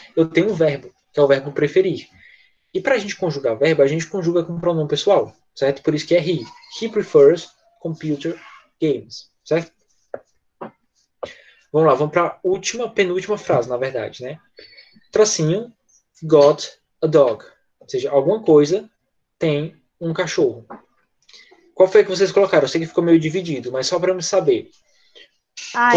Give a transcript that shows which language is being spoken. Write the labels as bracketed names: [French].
[Portuguese] Eu tenho um verbo, que é o verbo preferir. E para a gente conjugar verbo, a gente conjuga com pronome pessoal, certo? Por isso que é he. [English] He prefers computer games, certo? [Portuguese] Vamos lá, vamos para a última, penúltima frase, na verdade, né? Tracinho, [English] got a dog. [Portuguese] Ou seja, alguma coisa tem um cachorro. Qual foi que vocês colocaram? Eu sei que ficou meio dividido, mas só para eu saber. Ai,